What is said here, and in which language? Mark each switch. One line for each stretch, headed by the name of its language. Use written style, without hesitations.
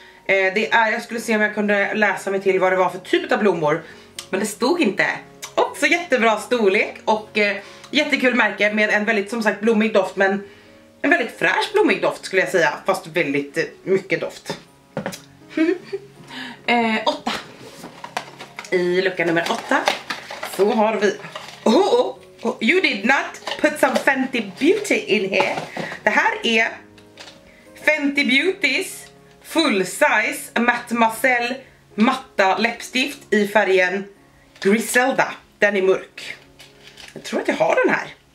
Swedish: Det är, jag skulle se om jag kunde läsa mig till vad det var för typ av blommor. Men det stod inte. Och så jättebra storlek och jättekul märke med en väldigt som sagt blommig doft men en väldigt fräsch blommig doft skulle jag säga, fast väldigt mycket doft. 8. I lucka nummer 8 så har vi,
English: oh, you did not put some Fenty Beauty in here.
Swedish: Det här är Fenty Beautys full size Matte Marcel matta läppstift i färgen Griselda. Den är mörk. Jag tror att jag har den här.